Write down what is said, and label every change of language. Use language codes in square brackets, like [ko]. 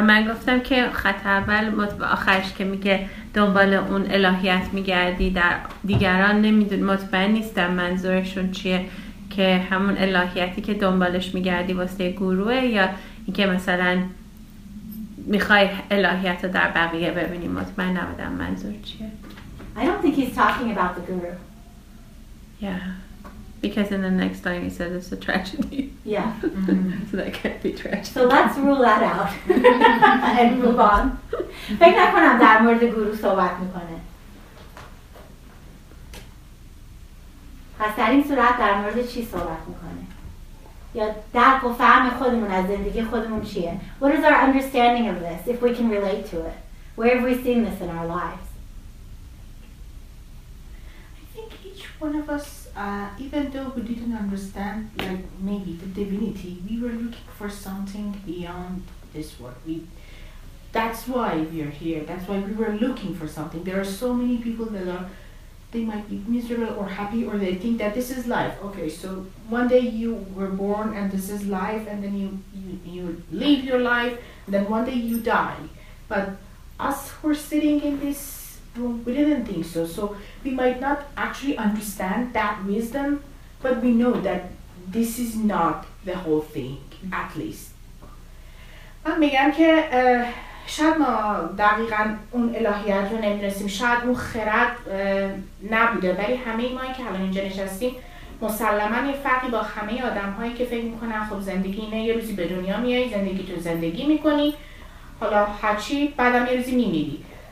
[fa] گفتم که خط اول و آخرش که میگه دنبال اون الهیت میگردی در دیگران نمیدون، مطمئن نیستم منظورشون چیه، که همون الهیتی که دنبالش میگردی واسه گروه، یا اینکه مثلا میخوای الهیت رو در بقیه ببینی. مطمئن نبودم منظور چیه. [en] I don't think he's talking about the guru. Yeah. Because in the next line he says it's a tragedy. Yeah. So that can't be tragedy. So let's rule that out. And move on. [fa] فکر نکنم در مورد گروه صحبت میکنه. پس در این صورت در مورد چی صحبت میکنه؟ یا درک و فهم خودمون از زندگی خودمون چیه؟ [en] What is our understanding of this, if we can relate to it? Where have we seen this in our lives? I think each one of us, even though we didn't understand, like maybe the divinity, we were looking for something beyond this world. That's why we are here. That's why we were looking for something. There are so many people that are, they might be miserable or happy, or they think that this is life. Okay, so one day you were born and this is life, and then you live your life, and then one day you die. But us who are sitting in this room, we didn't think so. So we might not actually understand that wisdom, but we know that this is not the whole thing, at least. [fa] من میگم که شاید ما دقیقا اون الهیت رو نمیدونستیم، شاید اون خرد نبوده، ولی همه ما که الان اینجا نشستیم مسلماً یه فرقی با همه آدم‌هایی که فکر میکنن خب زندگی اینه، یه روزی به دنیا میای، زندگی تو زندگی میکنی، حالا هرچی، بعدم یه روزی میمیری.